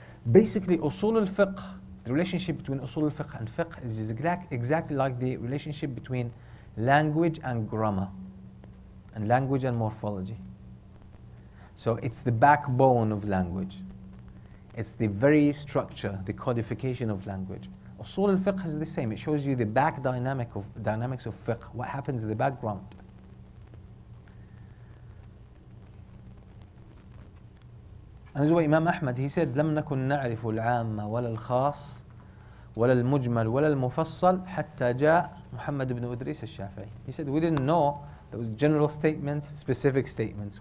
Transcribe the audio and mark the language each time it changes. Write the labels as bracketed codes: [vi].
[en] Basically, Usul al-Fiqh, the relationship between Usul al-Fiqh and Fiqh is exactly like the relationship between language and grammar, and language and morphology. So it's the backbone of language. It's the very structure, the codification of language. Usul al-Fiqh is the same. It shows you the back dynamics of Fiqh, what happens in the background. And this is why Imam Ahmad, he said, [ar] لَمْ نَكُنْ نَعْرِفُ الْعَامَّ وَلَا الْخَاصِ وَلَا الْمُجْمَلِ وَلَا الْمُفَصَّلِ حَتَّى جَاءَ مُحَمَّدُ بْنُ إِدْرِيسَ الشَّافِعِي. [en] He said, we didn't know there was general statements, specific statements.